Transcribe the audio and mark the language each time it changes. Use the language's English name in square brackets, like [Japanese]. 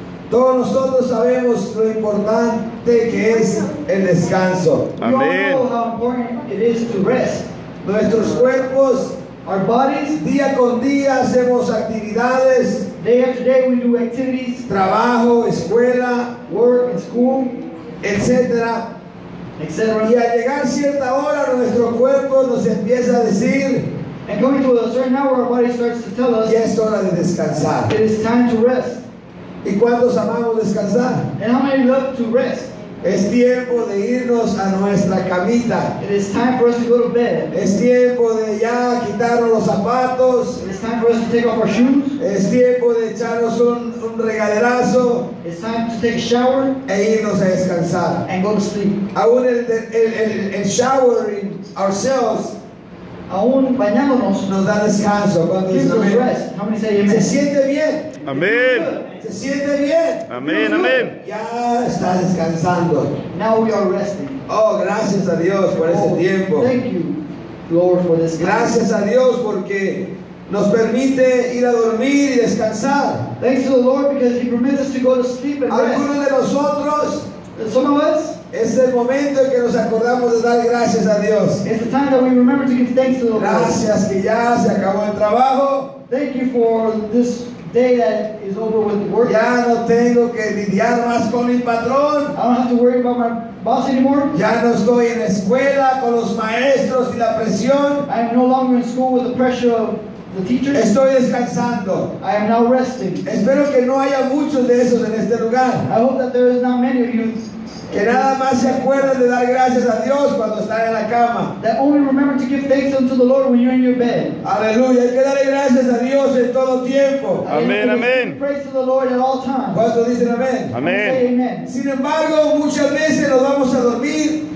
[Spanish] Todos nosotros sabemos lo importante que es el descanso. Amén. [English] We all know how important it is to rest. [Spanish] Nuestros cuerpos, [English] our bodies, [Spanish] día con día hacemos actividades. [English] Day after day we do activities. [Spanish] Trabajo, escuela, [English] work, school, [Spanish] etcétera. Etcétera. Y al llegar cierta hora nuestro cuerpo nos empieza a decir. [English] And coming to a certain hour our body starts to tell us. [Spanish] Ya es hora de descansar. [English] It is time to rest. [Spanish] ¿Y cuántos amamos descansar? [English] And how many love to rest? [Spanish] Es tiempo de irnos a nuestra camita. [English] It is time for us to go to bed. [Spanish] Es tiempo de ya quitarnos los zapatos. [English] It is time for us to take off our shoes. [Spanish] Es tiempo de echarnos un regaderazo. [English] It's time to take a shower. [Spanish] E irnos a descansar. [English] And go to sleep. [Spanish] Aún el [English] showering ourselves. [Spanish] Aún bañándonos nos da descanso cuando dices amén. Se siente bien. Amén. Se siente bien. Amén, amén. Ya está descansando. [English] Now we are resting. [Spanish] Oh, gracias a Dios por ese tiempo. [English] Thank you, Lord, for this. [Spanish] Gracias a Dios porque nos permite ir a dormir y descansar. [English] Thanks to the Lord because He permits us to go to sleep and rest. [Spanish] Algunos de nosotros. [English] Some of us. [Spanish] Es el momento en que nos acordamos de dar gracias a Dios. [English] It's the time that we remember to give thanks to the Lord. [Spanish] Gracias que ya se acabó el trabajo. [English] Thank you for this day that is over with work. [Spanish] Ya no tengo que lidiar más con mi patrón. [English] I don't have to worry about my boss anymore. [Spanish] Ya no estoy en la escuela con los maestros y la presión. [English] I'm no longer in school with the pressure of the teachers. [Spanish] Estoy descansando. [English] I am now resting. [Spanish] Espero que no haya muchos de esos en este lugar. [English] I hope that there is not many of you. [Spanish] Que nada más se acuerden de dar gracias a Dios cuando están en la cama. [English] That only remember to give thanks unto the Lord when you're in your bed. [Spanish] Aleluya, hay que darle gracias a Dios en todo tiempo. Amén, amén. [English] Praise to the Lord at all times. [Spanish] ¿Cuánto dicen amén? Amén. Sin embargo, muchas veces nos vamos a dormir.